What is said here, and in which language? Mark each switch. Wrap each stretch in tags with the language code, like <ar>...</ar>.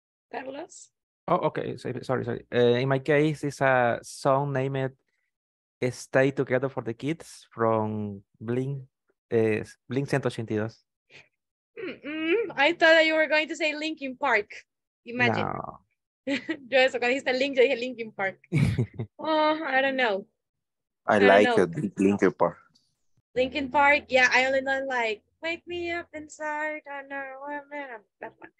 <en>Carlos. Oh, okay. Sorry. In my case, it's a song named Stay Together for the Kids from Blink 182. Mm-mm. I thought that you were going to say Linkin Park. Imagine. No.</en> <es>Yo eso, cuando dijiste Link, yo dije Linkin Park.</es> <en>Oh, I don't know. I like Linkin Park. Linkin Park, yeah, I only know like, wake me up inside, I don't know what I'm in.</en>